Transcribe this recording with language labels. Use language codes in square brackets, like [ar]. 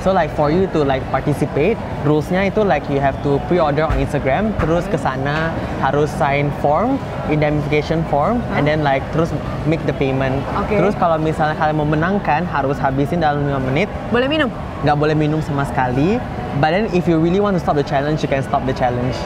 [en] So like for you to like participate, rules-nya itu like you have to pre-order on Instagram, [id] terus ke sana harus [en] sign form, identification form, and then like [id] terus [en] make the payment. Okay. [id] Terus kalau misalnya kalian mau menangkan, harus habisin dalam 5 menit. Boleh minum? Nggak boleh minum sama sekali. [en] But then if you really want to stop the challenge, you can stop the challenge.